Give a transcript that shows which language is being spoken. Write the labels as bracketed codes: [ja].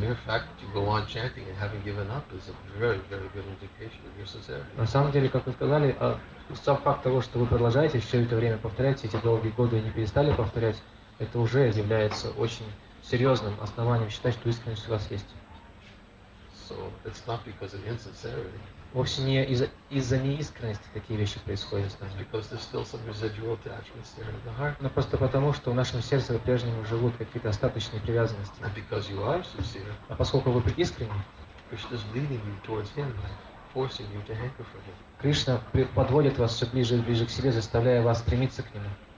[en] The mere fact that you go on chanting and haven't given up is a very, very good indication of your sincerity. [ru] На самом деле, как вы сказали, сам факт того, что вы продолжаете все это время повторять, эти долгие годы и не перестали повторять, это уже является очень серьезным основанием считать, что искренность у вас есть. [en] So it's not because of insincerity. [ru] Вовсе не из-за неискренности такие вещи происходят с нами. [en] Because there's still some residual attachments there in the heart. [ru] Но просто потому, что в нашем сердце по-прежнему живут какие-то остаточные привязанности. [en] And because you are sincere, [ru] а поскольку вы искренни, [en] Krishna's leading you towards him, forcing you to hanker for him. [ru] Кришна подводит вас все ближе и ближе к себе, заставляя вас стремиться к нему.